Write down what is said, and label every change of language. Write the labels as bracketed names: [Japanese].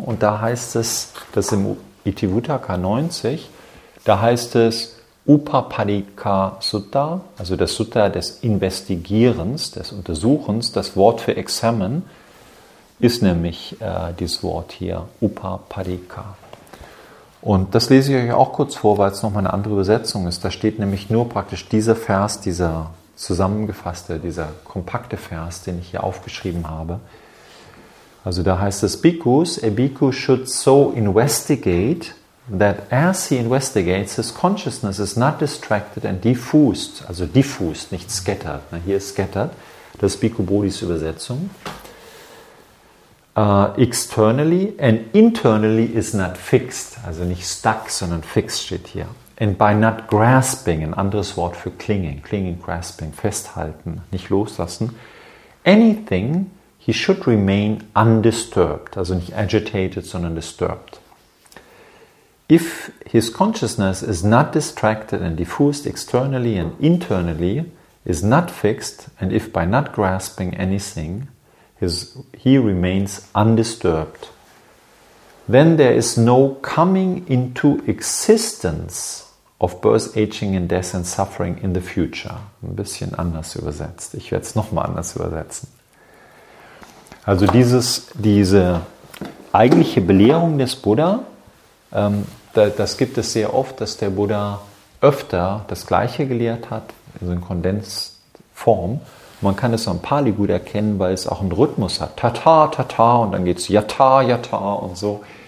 [German] Und da heißt es, das ist im Itivutaka 90, da heißt es Upapadika Sutta, also das Sutta des Investigierens, des Untersuchens, das Wort für Examen, ist nämlich dieses Wort hier, Upapadika. Und das lese ich euch auch kurz vor, weil es nochmal eine andere Übersetzung ist. Da steht nämlich nur praktisch dieser Vers, dieser zusammengefasste, dieser kompakte Vers, den ich hier aufgeschrieben habe. Also da heißt es, [English] Bhikkhus, a bhikkhu should so investigate that as he investigates, his consciousness is not distracted and diffused, also diffused, nicht scattered. [German] Hier ist scattered, das ist Bhikkhu Bodhis Übersetzung. [English] Externally and internally is not fixed, [German] also nicht stuck, sondern fixed steht hier. [English] And by not grasping, [German] ein anderes Wort für clinging, grasping, festhalten, nicht loslassen. [English] Anything, he should remain undisturbed, [German] also nicht agitated, sondern disturbed. [English] if his consciousness is not distracted and diffused externally and internally, is not fixed, and if by not grasping anything, he remains undisturbed, then there is no coming into existence of birth, aging and death and suffering in the future. [German] Ein bisschen anders übersetzt. Ich werde es nochmal anders übersetzen. Also diese eigentliche Belehrung des Buddha, das gibt es sehr oft, dass der Buddha öfter das Gleiche gelehrt hat, also in Kondensform. Man kann es am Pali gut erkennen, weil es auch einen Rhythmus hat. Tata, tata, und dann geht es yata, yata und so.